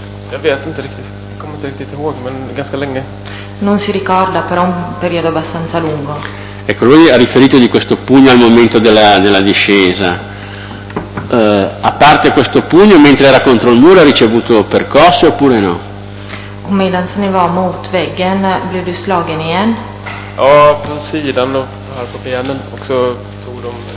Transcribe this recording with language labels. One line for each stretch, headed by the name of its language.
Swedish: Jag vet inte riktigt, kommer inte riktigt ihåg, men ganska länge.
Italian: Non si ricorda, però un periodo abbastanza lungo. Ecco, lui ha riferito di questo pugno al momento della discesa. A parte questo pugno, mentre era contro il muro, ha ricevuto percosse oppure no?
Swedish: Medan ni var mot väggen, blev du slagen igen? Ja, på sidan och här på benen, och så tog de